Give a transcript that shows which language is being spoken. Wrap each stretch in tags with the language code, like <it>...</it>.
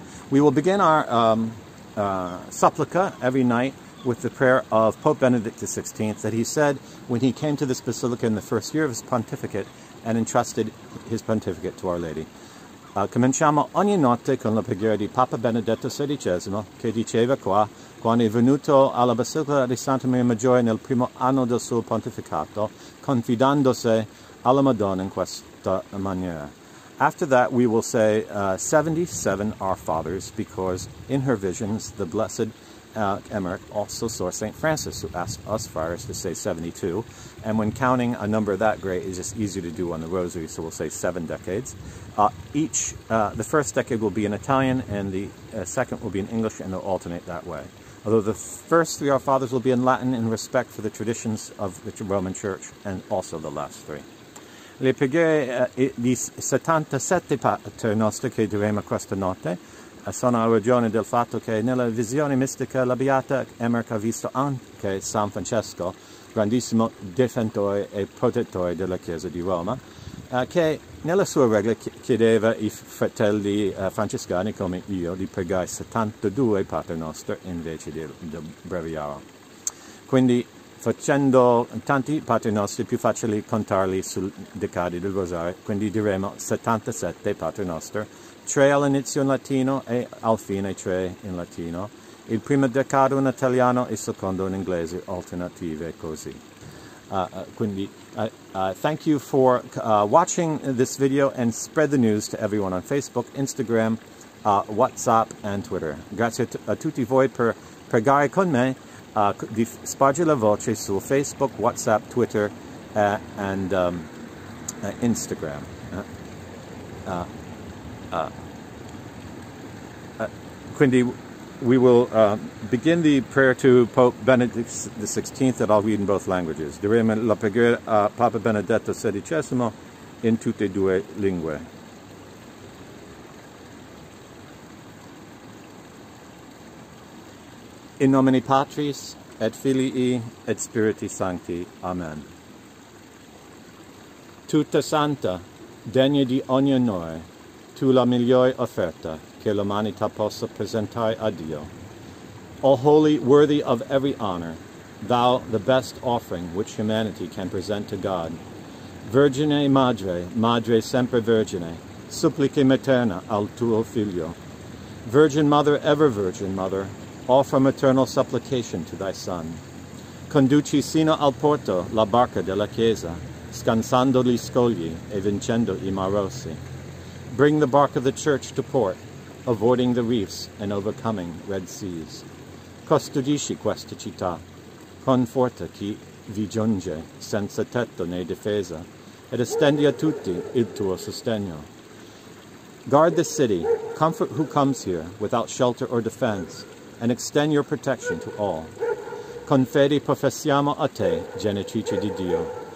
<en>We will begin our supplica every night with the prayer of Pope Benedict XVI that he said when he came to this basilica in the first year of his pontificate and entrusted his pontificate to Our Lady.</en> <it>Cominciamo ogni notte con la preghiera di Papa Benedetto XVI che diceva qua quando è venuto alla Basilica di Santa Maria Maggiore nel primo anno del suo pontificato confidandosi alla Madonna in questa maniera.</it> <en>After that, we will say 77 Our Fathers, because in her visions, the Blessed Emmerich also saw St. Francis, who asked us friars to say 72. And when counting a number that great, it's just easy to do on the rosary, so we'll say seven decades. The first decade will be in Italian, and the second will be in English, and they'll alternate that way. Although the first three Our Fathers will be in Latin in respect for the traditions of the Roman Church, and also the last three.</en> <it>Le preghiere di 77 pater nostri che diremo questa notte sono a ragione del fatto che nella visione mistica la Beata Emmerich ha visto anche San Francesco, grandissimo difensore e protettore della Chiesa di Roma, che nella sua regola chiedeva ai fratelli francescani come io di pregare 72 pater nostri invece del breviario. Quindi, facendo tanti Pater Nostri, più facile contarli sul decade del Rosario, quindi diremo 77 Pater Nostri, 3 all'inizio in latino e al fine 3 in latino, il primo decado in italiano e il secondo in inglese, alternative così.</it> <en>Thank you for watching this video and spread the news to everyone on Facebook, Instagram, WhatsApp and Twitter.</en> <it>Grazie a tutti voi per pregare con me. Di spargere la voce su Facebook, WhatsApp, Twitter and Instagram.</it> <en>Quindi we will begin the prayer to Pope Benedict the 16th that I'll read in both languages.</en> <it>Diremo la preghiera a Papa Benedetto XVI in tutte due lingue.</it> <la>In nomine Patris, et Filii, et Spiriti Sancti. Amen.</la> <it>Tutta santa, degna di ogni onore, tu la migliore offerta che l'umanità possa presentare a Dio.</it> <en>O holy, worthy of every honor, thou the best offering which humanity can present to God.</en> <it>Virgine Madre, Madre sempre Virgine, supplica materna al tuo Figlio.</it> <en>Virgin Mother, ever Virgin Mother, offer maternal supplication to thy Son.</en> <it>Conduci sino al porto la barca della Chiesa, scansando gli scogli e vincendo i marosi.</it> <en>Bring the bark of the Church to port, avoiding the reefs and overcoming red seas.</en> <it>Custodisci questa città, conforta chi vi giunge senza tetto né difesa, ed estendi a tutti il tuo sostegno.</it> <en>Guard the city, comfort who comes here without shelter or defense, and extend your protection to all.</en> <it>Con fede professiamo a te, genitrice di Dio.</it>